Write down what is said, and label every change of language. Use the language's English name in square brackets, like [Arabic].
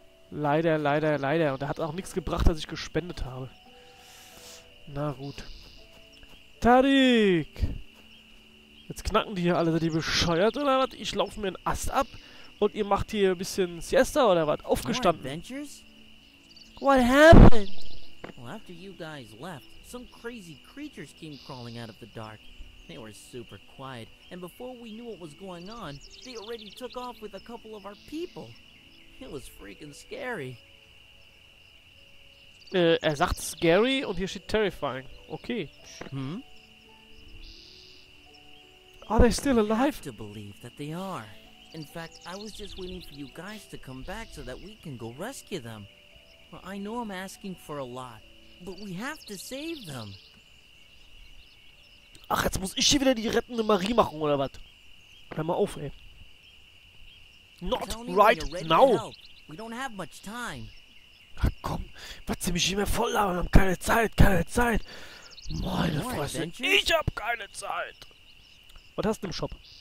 [German] Leider, leider, leider. Und da hat auch nichts gebracht, dass ich gespendet habe. Na gut. Tarik! Jetzt knacken die hier alle, sind die bescheuert oder was? Ich laufe mir einen Ast ab und ihr macht hier ein bisschen Siesta oder was? Aufgestanden. Adventures? [English] What happened? Well, after you guys left, some crazy creatures came crawling out of the dark. They were super quiet, and before we knew what was going on, they already took off with a couple of our people. It was freaking scary. [German] Er sagt scary und hier steht terrifying. Okay. [English] Are they still alive? I have to believe that they are. In fact, I was just waiting for you guys to come back so that we can go rescue them. Well, I know I'm asking for a lot, but we have to save them. [German] Ach, jetzt muss ich hier wieder die rettende Marie machen, oder was? Hör mal auf, ey. [English] Not right now! We don't have much time. [German] Ach komm, was sie mich hier mehr voll haben, wir haben keine Zeit, keine Zeit. Meine Fresse, ich hab keine Zeit! Was hast du im Shop?